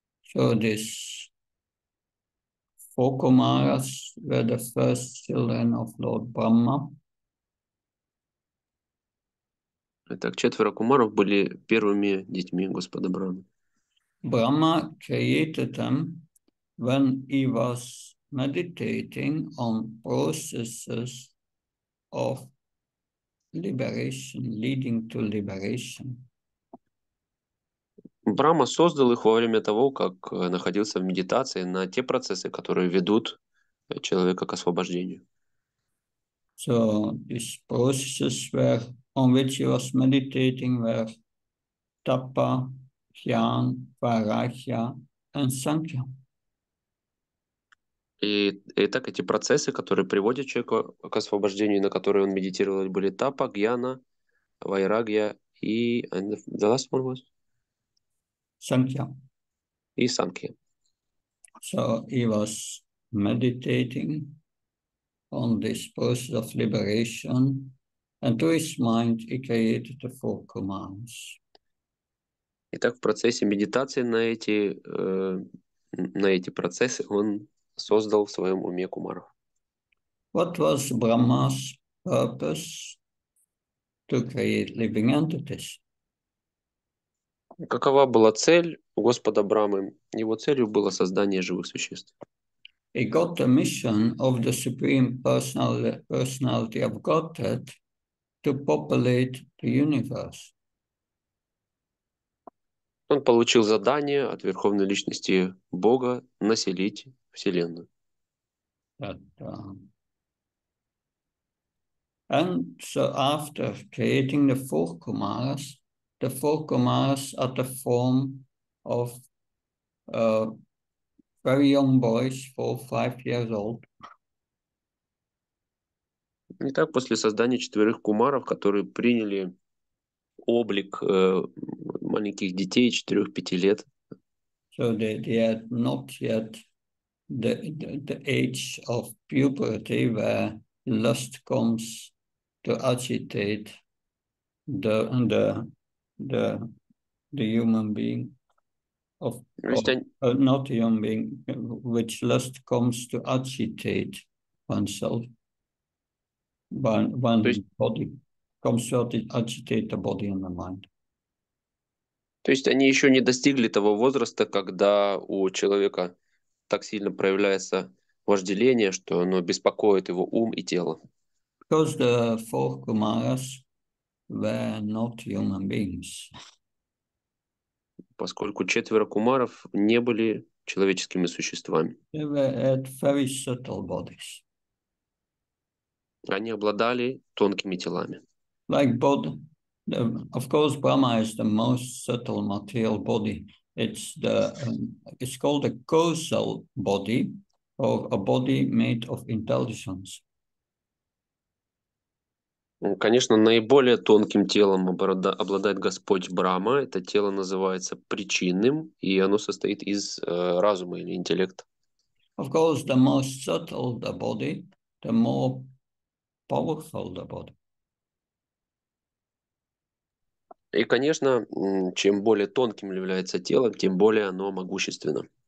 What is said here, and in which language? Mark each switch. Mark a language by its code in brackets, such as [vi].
[en] So this four Kumaras were the first children of Lord Brahma. [ru] Итак, четверо кумаров были первыми детьми Господа Брамы. [en] Brahma created them when he was meditating on processes of liberation, leading to liberation. [ru] Брама создал их во время того, как находился в медитации на те процессы, которые ведут человека к освобождению. [en] So these processes were on which he was meditating were tapa, dhyan, vairagya, and sankhya. [ru] Итак, эти процессы, которые приводят человека к освобождению, на которые он медитировал, были тапа, гьяна, вайрагья и... [en] And the last one was? Sankhya. [ru] И санкхи. [en] So he was meditating on this process of liberation, and to his mind he created the four kumaras. [ru] Итак, в процессе медитации на эти процессы он создал в своем уме кумаров. [en] What was Brahma's purpose to create living entities? [ru] Какова была цель у Господа Брамы? Его целью было создание живых существ. [en] He got the mission of the Supreme Personality of Godhead to populate the universe. [ru] Он получил задание от Верховной Личности Бога населить Вселенную. [en] And so after creating the four kumaras, the four kumaras are the form of very young boys, 4-5 years old. [ru] Итак, после создания четверых кумаров, которые приняли облик маленьких детей 4-5 лет. [en] So they had not yet the age of puberty where lust comes to agitate the human being of not a human being which lust comes to agitate oneself when body comes to agitate the body and the mind. [ru] То есть они еще не достигли того возраста, когда у человека так сильно проявляется вожделение, что оно беспокоит его ум и тело. [en] Because the four kumaras were not human beings. [ru] Поскольку четверо кумаров не были человеческими существами. [en] They were at very subtle bodies. [ru] Они обладали тонкими телами. [en] Like body. Of course, Brahma is the most subtle material body. It's the it's called a causal body, or a body made of intelligence. [ru] Конечно, наиболее тонким телом обладает Господь Брама. Это тело называется причинным, и оно состоит из разума или интеллекта. [en] Of course, the most subtle the body, the more powerful the body. [ru] И, конечно, чем более тонким является тело, тем более оно могущественно.